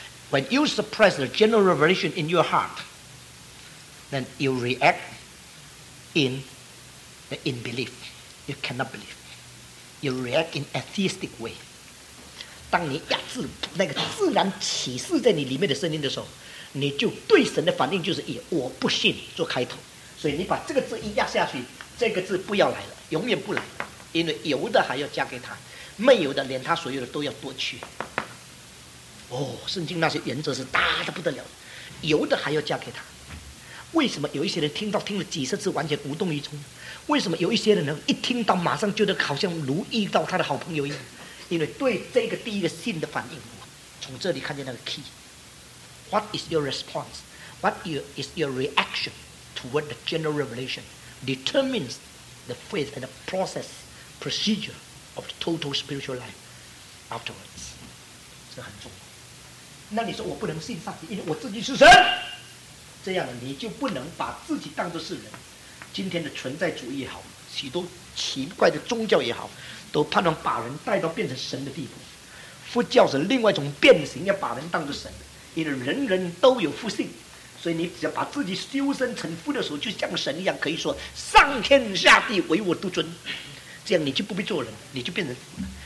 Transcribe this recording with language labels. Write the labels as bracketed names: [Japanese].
[English] When you suppress the general revelation in your heart, then you react in the unbelief. You cannot believe. You react in atheistic way. [Chinese] 当你压制那个自然启示在你里面的声音的时候，你就对神的反应就是以我不信做开头。所以你把这个字一压下去，这个字不要来了，永远不来，因为有的还要加给他，没有的连他所有的都要夺去。哦，圣经那些原则是大的不得了，有的还要嫁给他。为什么有一些人听到听了几十次完全无动于衷？为什么有一些人一听到马上觉得好像如遇到他的好朋友一样？因为对这个第一个信的反应，从这里看见那个 key。 [English] What is your response? What is your reaction toward the general revelation determines the faith and the process procedure of the total spiritual life afterwards. [Chinese] 这很重要。那你说我不能信上帝，因为我自己是神，这样你就不能把自己当作是人。今天的存在主义也好，许多奇怪的宗教也好，都盼望把人带到变成神的地步。佛教是另外一种变形，要把人当作神，因为人人都有佛性，所以你只要把自己修身成佛的时候，就像神一样，可以说上天下地唯我独尊，这样你就不必做人，你就变成佛了。